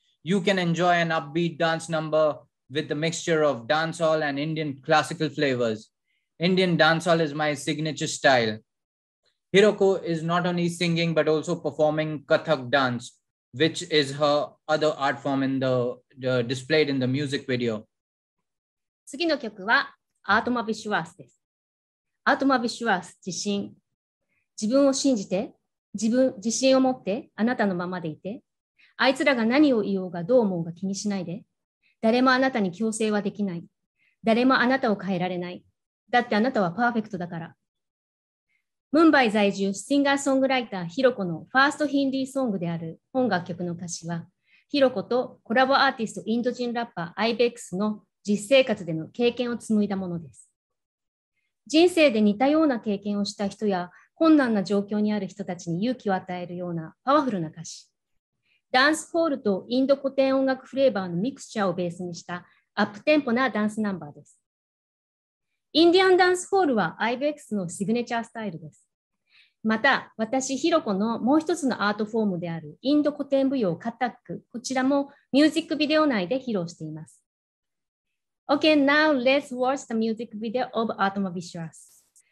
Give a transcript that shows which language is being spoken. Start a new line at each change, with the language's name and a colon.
English: You can enjoy an upbeat dance number with a mixture of dancehall and Indian classical flavors. Indian dancehall is my signature style. Hiroko is not only singing but also performing Kathak dance, which is her other art form in the displayed in the music video.
Japanese: 次の曲はアートマビシュワースです。アートマビシュワース自信。自分を信じて、自分自信を持ってあなたのままでいて、あいつらが何を言おうがどう思うが気にしないで。誰もあなたに強制はできない。誰もあなたを変えられない。だってあなたはパーフェクトだから。ムンバイ在住シンガーソングライターヒロコのファーストヒンディーソングである本楽曲の歌詞は、ヒロコとコラボアーティストインド人ラッパーアイベックスの実生活での経験を紡いだものです。人生で似たような経験をした人や困難な状況にある人たちに勇気を与えるようなパワフルな歌詞。ダンスホールとインド古典音楽フレーバーのミクスチャーをベースにしたアップテンポなダンスナンバーです。インディアンダンスホールは IBEX のシグネチャースタイルです。また、私、ヒロコのもう一つのアートフォームであるインド古典舞踊カタック、こちらもミュージックビデオ内で披露しています。
English: Okay, now let's watch the music video of Atma Vishwas.